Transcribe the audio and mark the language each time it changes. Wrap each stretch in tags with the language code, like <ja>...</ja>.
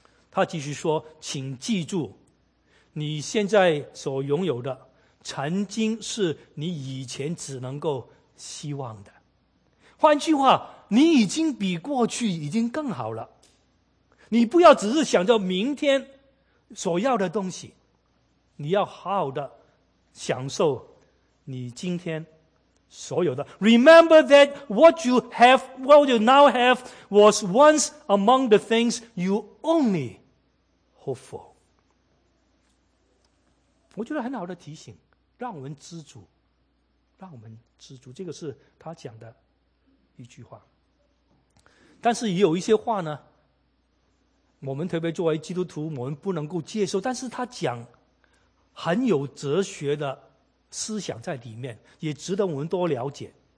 <zh>他继续说，请记住，你现在所拥有的曾经是你以前只能够希望的。换句话，你已经比过去已经更好了。你不要只是想着明天所要的东西，你要好好的享受你今天所有的。</zh> <en>Remember that what you now have was once among the things you only hope for.</en> <zh>我觉得很好的提醒，让我们知足，让我们知足，这个是他讲的一句话。但是有一些话呢，我们特别作为基督徒，我们不能够接受，但是他讲很有哲学的思想在里面，也值得我们多了解。</zh>